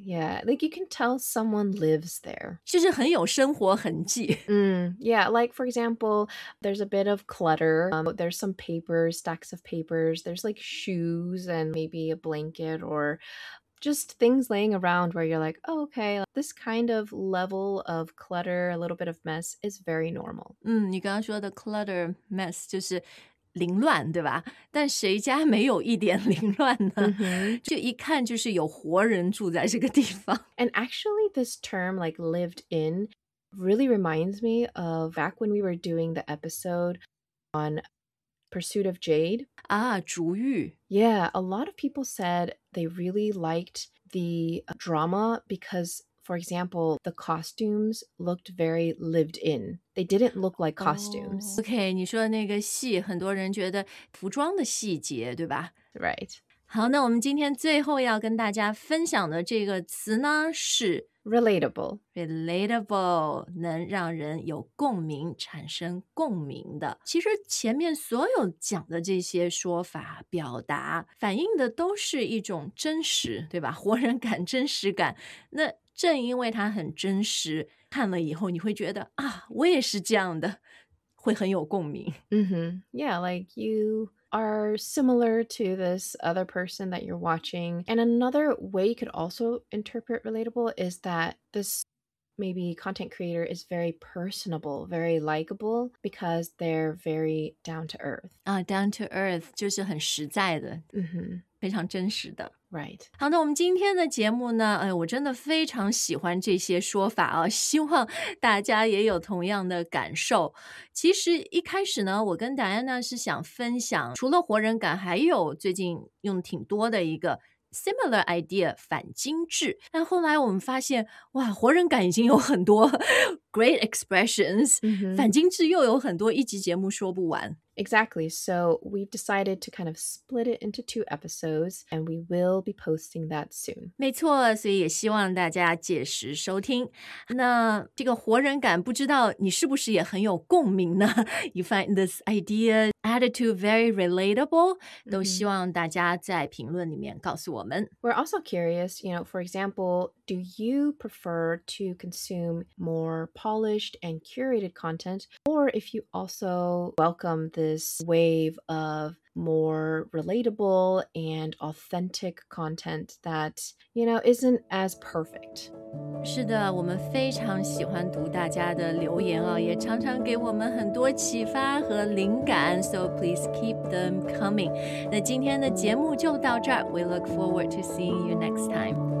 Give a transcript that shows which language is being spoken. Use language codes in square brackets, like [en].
[en] yeah, like you can tell someone lives there, [zh] 就是很有生活痕迹。 [en] Yeah, like for example, there's a bit of clutter, there's some papers, stacks of papers, there's like shoes and maybe a blanket or just things laying around where you're like, oh, okay, this kind of level of clutter, a little bit of mess is very normal. [zh] 你刚刚说的 clutter mess 就是凌乱，对吧？但谁家没有一点凌乱呢？ Mm-hmm. 就一看就是有活人住在这个地方。 [en] And actually, this term, like lived in, really reminds me of back when we were doing the episode on Pursuit of Jade. [zh] Ah, 竹玉。 [en] Yeah, a lot of people said they really liked the drama because, for example, the costumes looked very lived in. They didn't look like costumes. Oh, okay, [zh] 你说的那个戏，很多人觉得服装的细节，对吧？ [en] Right. [zh] 好，那我们今天最后要跟大家分享的这个词呢，是 [en] relatable. [zh] Relatable, 能让人有共鸣，产生共鸣的。其实前面所有讲的这些说法、表达，反映的都是一种真实，对吧？活人感、真实感。那正因为它很真实，看了以后你会觉得啊，我也是这样的，会很有共鸣。 [en] Yeah, like you are similar to this other person that you're watching. And another way you could also interpret relatable is that this maybe content creator is very personable, very likable because they're very down to earth. [zh] Down to earth 就是很实在的。非常真实的。 [en] Right. [zh] 好，那我们今天的节目呢，哎，我真的非常喜欢这些说法啊，希望大家也有同样的感受。其实一开始呢，我跟 Diana 是想分享，除了活人感，还有最近用挺多的一个 [en] similar idea [zh] 反精致，但后来我们发现哇，活人感已经有很多 [en] great expressions、 [zh] 反精致又有很多，一集节目说不完。 [en] Exactly, so we've decided to kind of split it into two episodes and we will be posting that soon. [zh] 没错，所以也希望大家届时收听。那这个活人感不知道你是不是也很有共鸣呢？ [en] You find this ideaAttitude very relatable. [zh] 都希望大家在评论里面告诉我们。 [en] We're also curious, you know, for example, do you prefer to consume more polished and curated content? Or if you also welcome this wave of more relatable and authentic content that, you know, isn't as perfect. [zh] 是的，我们非常喜欢读大家的留言哦，也常常给我们很多启发和灵感。 [en] So please keep them coming. [zh] 那今天的节目就到这儿。 [en] We look forward to seeing you next time.